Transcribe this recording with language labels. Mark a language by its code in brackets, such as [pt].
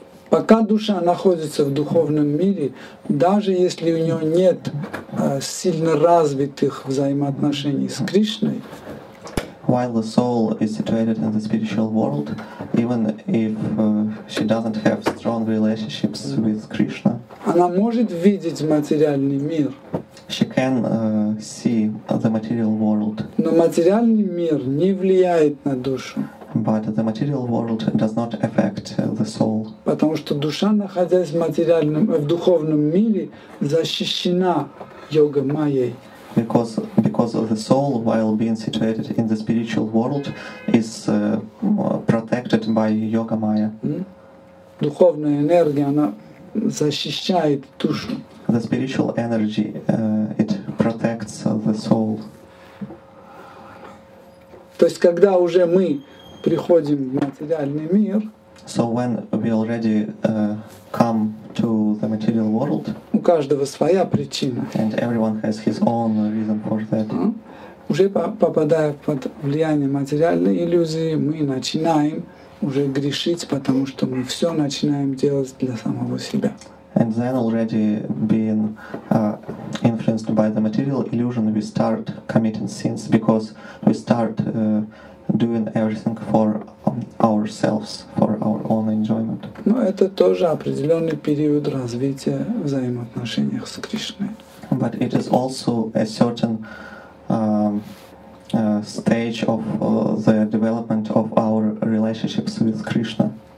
[ru] Пока душа находится в духовном мире, даже если у нее нет сильно развитых взаимоотношений с Кришной, [en] while the soul is situated in the spiritual world, even if she doesn't have strong relationships with Krishna, [ru] она может видеть материальный мир. [en] She can see the material world. [ru] Но материальный мир не влияет на душу. [en] But the material world does not affect the soul. [ru] Потому что душа, находясь в духовном мире, защищена йога-майей. [en] Because of the soul, while being situated in the spiritual world, is protected by yoga maya. [ru] Духовная энергия, она защищает душу. [en] The spiritual energy, it protects the soul. [ru] То есть, когда уже мы приходим в материальный мир, [en] so when we already come to the material world, [ru] у каждого своя причина. [en] And everyone has his own reason for that. [ru] Уже попадая под влияние материальной иллюзии, мы начинаем уже грешить, потому что мы все начинаем делать для самого себя. [en] And then already being influenced by the material illusion, we start committing sins because we start doing everything for ourselves, for our own enjoyment. [ru] Но это тоже определенный период развития взаимоотношений с Кришной. [en] But it is also a certain stage of the development of our relationships with Krishna.